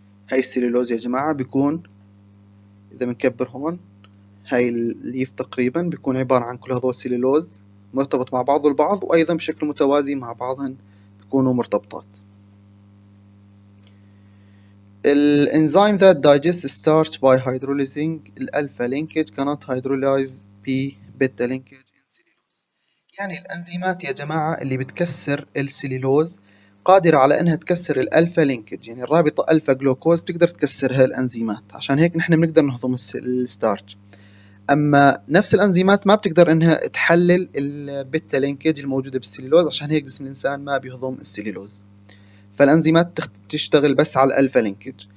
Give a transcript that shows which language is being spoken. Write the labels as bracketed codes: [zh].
[ar] هاي السليلوز يا جماعة بيكون إذا بنكبر هون هاي الليف تقريبا بيكون عبارة عن كل هذول السليلوز مرتبط مع بعضه البعض، وأيضا بشكل متوازي مع بعضهن بيكونوا مرتبطات. [en] الانزيم that digests starch by hydrolyzing الألفا linkage cannot hydrolyze P beta linkage in cellulose. [ar] يعني الأنزيمات يا جماعة اللي بتكسر السليلوز قادرة على أنها تكسر الألفا linkage، يعني الرابطة ألفا جلوكوز تقدر تكسرها الأنزيمات، عشان هيك نحن بنقدر نهضم الستارتش. اما نفس الانزيمات ما بتقدر انها تحلل البيتا لينكج الموجوده بالسليلوز، عشان هيك جسم الانسان ما بيهضم السليلوز، فالانزيمات تشتغل بس على الالفا لينكج.